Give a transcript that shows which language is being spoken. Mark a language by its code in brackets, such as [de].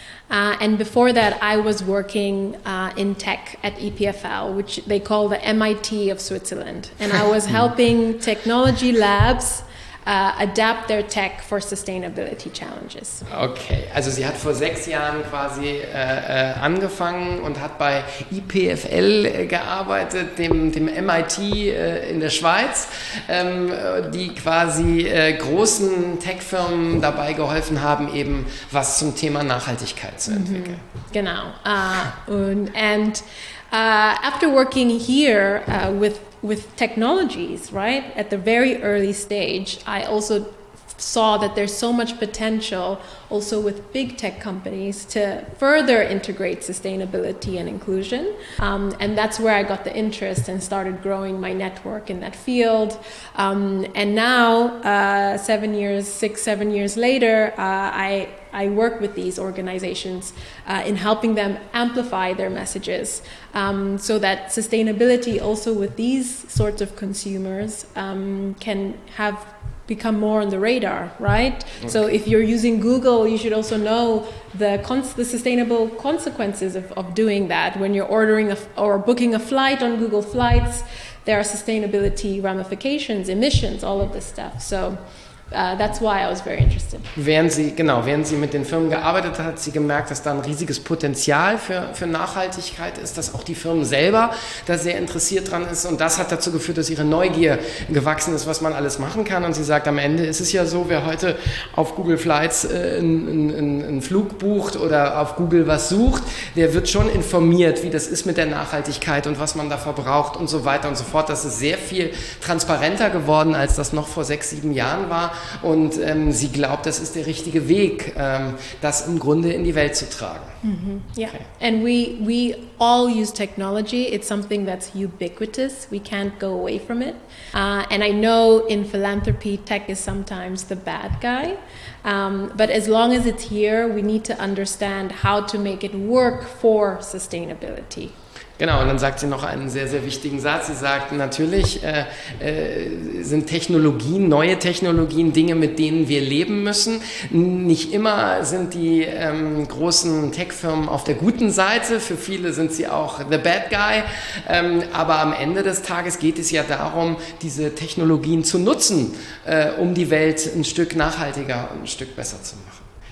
[en] And before that, I was working in tech at EPFL, which they call the MIT of Switzerland. And I was helping technology labs adapt their tech for sustainability challenges. [de] Okay, also sie hat vor 6 Jahren quasi angefangen und hat bei EPFL gearbeitet, dem MIT in der Schweiz, die quasi großen Tech-Firmen dabei geholfen haben, eben was zum Thema Nachhaltigkeit zu entwickeln. Mm-hmm. Genau. [en] After working here with technologies, right, at the very early stage, I also saw that there's so much potential also with big tech companies to further integrate sustainability and inclusion. And that's where I got the interest and started growing my network in that field. And now, 7 years, six, 7 years later, I work with these organizations in helping them amplify their messages so that sustainability also with these sorts of consumers can have become more on the radar, right? Okay. So if you're using Google, you should also know the sustainable consequences of doing that. When you're ordering or booking a flight on Google Flights, there are sustainability ramifications, emissions, all of this stuff. So that's why I was very interested. [de] Während sie mit den Firmen gearbeitet hat, hat sie gemerkt, dass da ein riesiges Potenzial für Nachhaltigkeit ist, dass auch die Firmen selber da sehr interessiert dran ist. Und das hat dazu geführt, dass ihre Neugier gewachsen ist, was man alles machen kann. Und sie sagt, am Ende ist es ja so, wer heute auf Google Flights einen Flug bucht oder auf Google was sucht, der wird schon informiert, wie das ist mit der Nachhaltigkeit und was man da verbraucht und so weiter und so fort. Das ist sehr viel transparenter geworden, als das noch vor 6, 7 Jahren war. Und sie glaubt, das ist der richtige Weg, das im Grunde in die Welt zu tragen. [en] Mm-hmm. Yeah. Okay. And we all use technology. It's something that's ubiquitous. We can't go away from it. And I know in philanthropy, tech is sometimes the bad guy. But as long as it's here, we need to understand how to make it work for sustainability. [de] Genau, und dann sagt sie noch einen sehr, sehr wichtigen Satz. Sie sagt, natürlich sind Technologien, neue Technologien, Dinge, mit denen wir leben müssen. Nicht immer sind die großen Tech-Firmen auf der guten Seite. Für viele sind sie auch [en] the bad guy. [de] Aber am Ende des Tages geht es ja darum, diese Technologien zu nutzen, um die Welt ein Stück nachhaltiger und ein Stück besser zu machen.